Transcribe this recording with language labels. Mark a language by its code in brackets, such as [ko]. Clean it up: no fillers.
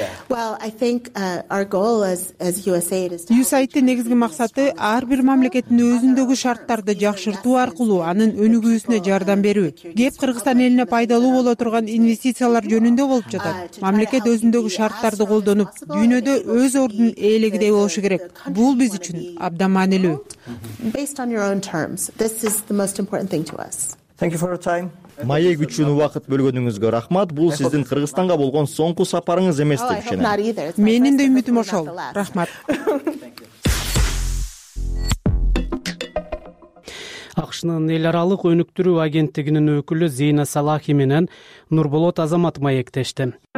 [ky] USAID'тин негизги максаты ар бир мамлекеттин өзүндөгү шарттарды жакшыртуу аркылуу анын өнүгүүсүнө жардам берүү. Кеп Кыргызстан элине пайдалуу боло турган инвестициялар жөнүндө болуп жатат. Мамлекет өзүндөгү шарттарды колдонуп, дүйнөдө өз ордун ээлегидей болушу керек. Бул биз үчүн абдан маанилүү. [en] Based on your own terms, this is the most important thing to us. Thank you for your time. [ky] Маек үчүн убакыт бөлгөнүңүзгө рахмат. Бул сиздин Кыргызстанга болгон соңку сапарыңыз эмес деп ишенем. Менин да үмүтүм ошол. Рахмат. АКШнын эл аралык өнүктүрүү агенттигинин өкүлү Зейна Салахи менен Нурболот Азамат маектешти.